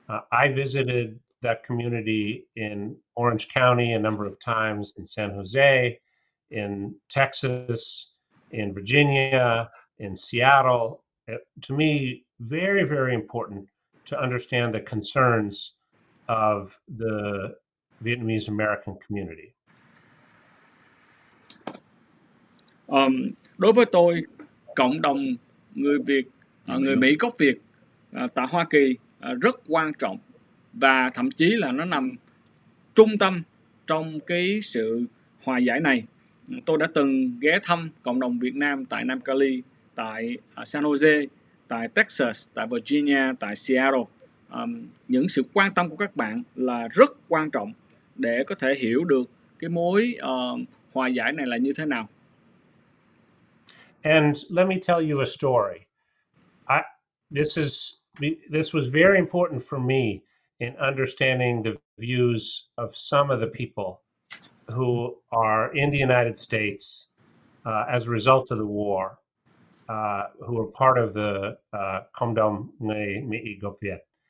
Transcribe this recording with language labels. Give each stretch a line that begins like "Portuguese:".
English: I visited that community in Orange County a number of times, in San Jose, in Texas, in Virginia, in Seattle. To me, very, very important to understand the concerns of the Vietnamese American community.
Vietnamese: Đối với tôi, cộng đồng người Việt, người Mỹ gốc Việt tại Hoa Kỳ rất quan trọng, và thậm chí là nó nằm trung tâm trong cái sự hòa giải này. Tôi đã từng ghé thăm cộng đồng Việt Nam tại Nam Cali, tại San Jose, tại Texas, tại Virginia, tại Seattle. Những sự quan tâm của các bạn là rất quan trọng để có thể hiểu được cái mối hòa giải này là như thế nào.
English: And let me tell you a story. This was very important for me in understanding the views of some of the people who are in the United States as a result of the war, who were part of the
Vietnamese: Cộng đồng Người Mỹ gốc Việt.